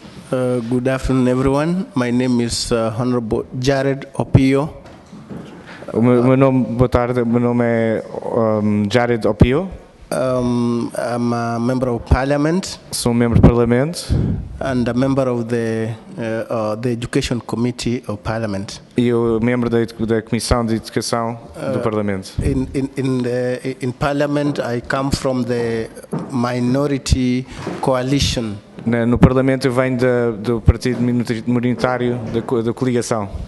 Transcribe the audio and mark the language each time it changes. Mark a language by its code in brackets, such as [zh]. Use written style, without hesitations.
[en] Good afternoon, everyone. My name is Honorable Jared Opio. [pt] Boa tarde. Meu nome é Jared Opio. [en] I'm a member of Parliament. [pt] Sou membro do Parlamento. [en] And a member of the Education Committee of Parliament. [pt] E o membro da Comissão de Educação do Parlamento. [en] In Parliament, I come from the minority coalition. [pt] No Parlamento, eu venho do partido minoritário da coligação.